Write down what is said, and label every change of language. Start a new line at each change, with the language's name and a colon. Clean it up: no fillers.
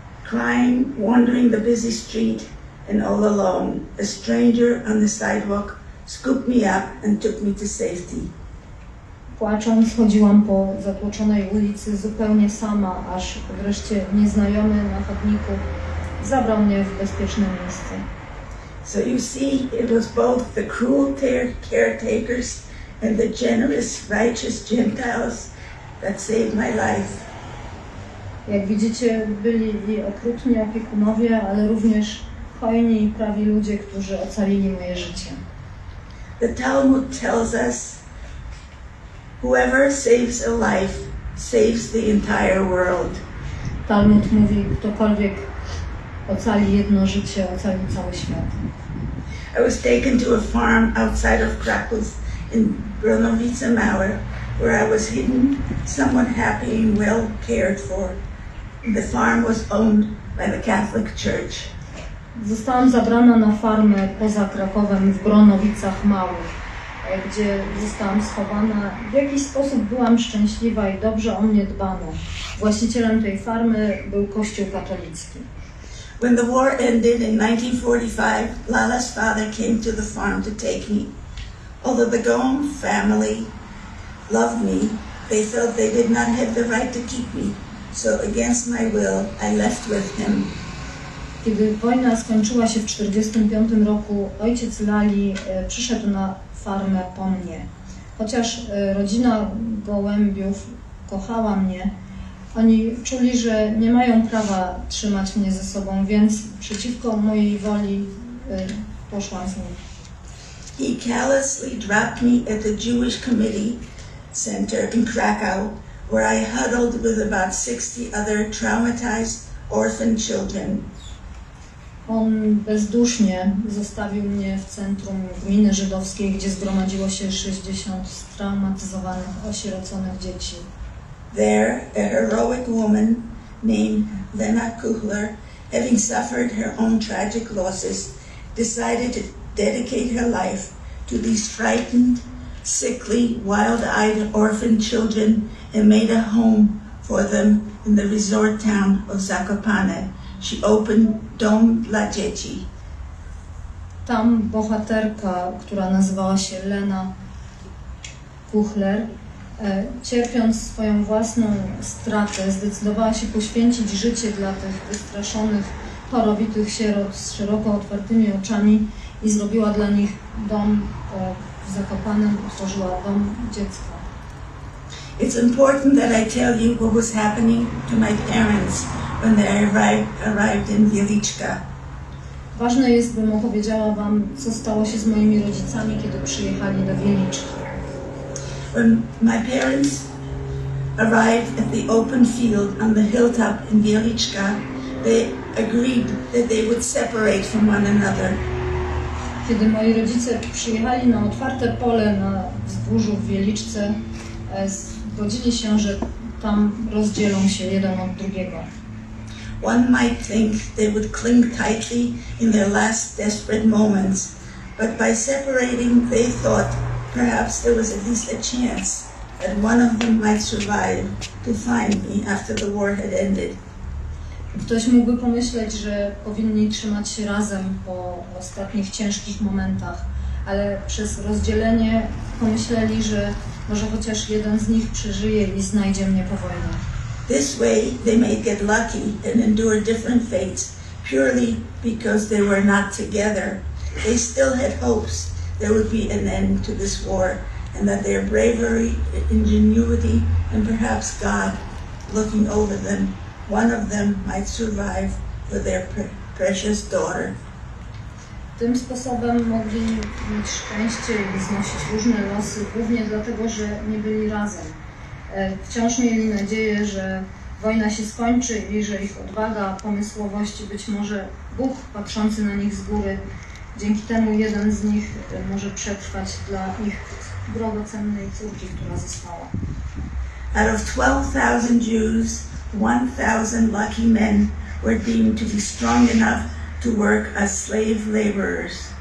English: Crying, wandering the busy street and all alone, a stranger on the sidewalk scooped me up and took me to safety.
Polish: Płacząc, chodziłam po zatłoczonej ulicy zupełnie sama, aż wreszcie nieznajomy na chodniku zabrał mnie w bezpieczne miejsce.
English: So you see, it was both the cruel caretakers and the generous, righteous Gentiles that saved my life.
Polish: Jak widzicie, byli i okrutni opiekunowie, ale również hojni i prawi ludzie, którzy ocalili moje życie.
English: The Talmud tells us, whoever saves a life saves the entire world.
Polish: Talmud mówi, ktokolwiek ocali jedno życie, ocali cały świat.
English: I was taken to a farm outside of Kraków in Bronowice Mauer, where I was hidden, somewhat happy and well cared for. The farm was owned by the Catholic Church.
Polish: Zostałam zabrana na farmę poza Krakowem w Bronowicach Małych, gdzie zostałam schowana. W jakiś sposób byłam szczęśliwa i dobrze o mnie dbano. Właścicielem tej farmy był Kościół katolicki.
English: When the war ended in 1945, Lala's father came to the farm to take me. Although the Gom family loved me, they felt they did not have the right to keep me. So against my will, I left with him.
Polish: Kiedy wojna skończyła się w 1945 roku, ojciec Lali przyszedł na farmę po mnie. Chociaż rodzina Gołębiów kochała mnie, Oni czuli, że nie mają prawa trzymać mnie ze sobą, więc przeciwko mojej woli poszłam z nim.
English: He callously dropped me at the Jewish Committee Center in Krakow, where I huddled with about 60 other traumatized orphan children.
Polish: On bezdusznie zostawił mnie w centrum gminy żydowskiej, gdzie zgromadziło się 60 straumatyzowanych, osieroconych dzieci.
English: There, a heroic woman named Lena Kuchler, having suffered her own tragic losses, decided to dedicate her life to these frightened, sickly, wild-eyed orphan children and made a home for them in the resort town of Zakopane. She opened Dom dla Dzieci.
Polish: Tam bohaterka, która nazywała się Lena Kuchler, cierpiąc swoją własną stratę, zdecydowała się poświęcić życie dla tych wystraszonych, chorobitych sierot z szeroko otwartymi oczami i zrobiła dla nich dom w Zakopanem, otworzyła dom dziecka.
English: It's important that I tell you what was happening to my parents when they arrived in Wieliczka.
Polish: Ważne jest, bym opowiedziała wam, co stało się z moimi rodzicami, kiedy przyjechali do Wieliczki.
English: When my parents arrived at the open field on the hilltop in Wieliczka, they agreed that they would separate from one another.
Polish: Kiedy moi rodzice przyjechali na otwarte pole na wzgórzu w Wieliczce, zgodzili się, że tam rozdzielą się jeden od drugiego.
English: One might think they would cling tightly in their last desperate moments, but by separating they thought perhaps there was at least a chance that one of them might survive to find me after the war had ended.
Polish: Ktoś mógłby pomyśleć, że powinni trzymać się razem po ostatnich ciężkich momentach, ale przez rozdzielenie pomyśleli, że może chociaż jeden z nich przeżyje i znajdzie mnie po wojnie.
English: This way they may get lucky and endure different fates purely because they were not together. They still had hopes there would be an end to this war and that their bravery, ingenuity and perhaps God looking over them, one of them might survive with their precious daughter.
Polish: Tym sposobem mogli mieć szczęście i znosić różne losy, głównie dlatego, że nie byli razem. Wciąż mieli nadzieję, że wojna się skończy i że ich odwaga, pomysłowość, być może Bóg patrzący na nich z góry, dzięki temu jeden z nich może przetrwać dla ich drogocennej córki, która została.
English: Out of 12,000 Jews, 1,000 lucky men were deemed to be strong enough to work as slave laborers.